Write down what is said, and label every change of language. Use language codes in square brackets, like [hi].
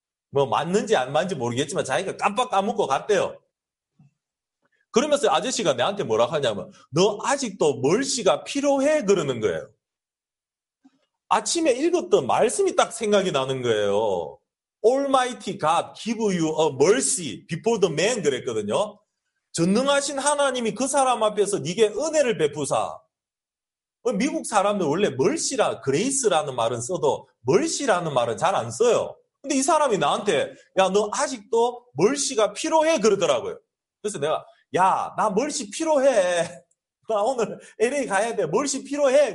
[ko] 뭐 맞는지 안 맞는지 모르겠지만 자기가 깜빡 까먹고 갔대요. 그러면서 아저씨가 내한테 뭐라고 하냐면, 너 아직도 멀씨가 필요해? 그러는 거예요. 아침에 읽었던 말씀이 딱 생각이 나는 거예요. [en] Almighty God give you a mercy before the man [ko] 그랬거든요. 전능하신 하나님이 그 사람 앞에서 네게 은혜를 베푸사. 미국 사람들 원래 멀시라, 그레이스라는 말은 써도 멀시라는 말은 잘안 써요. 근데 이 사람이 나한테 야, 너 아직도 멀시가 필요해 그러더라고요. 그래서 내가 야, 나 멀시 필요해. 나 오늘 LA 가야 돼. 멀시 필요해.